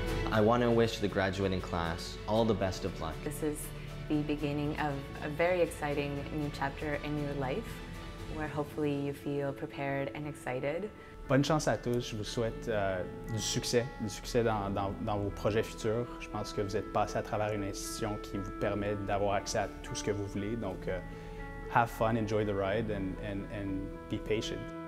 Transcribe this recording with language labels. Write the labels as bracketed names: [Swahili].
[English] I want to wish the graduating class all the best of luck. This is the beginning of a very exciting new chapter in your life, where hopefully you feel prepared and excited. [French] Bonne chance à tous. Je vous souhaite du succès dans vos projets futurs. Je pense que vous êtes passé à travers une institution qui vous permet d'avoir accès à tout ce que vous voulez. [English] Donc, have fun, enjoy the ride, and be patient.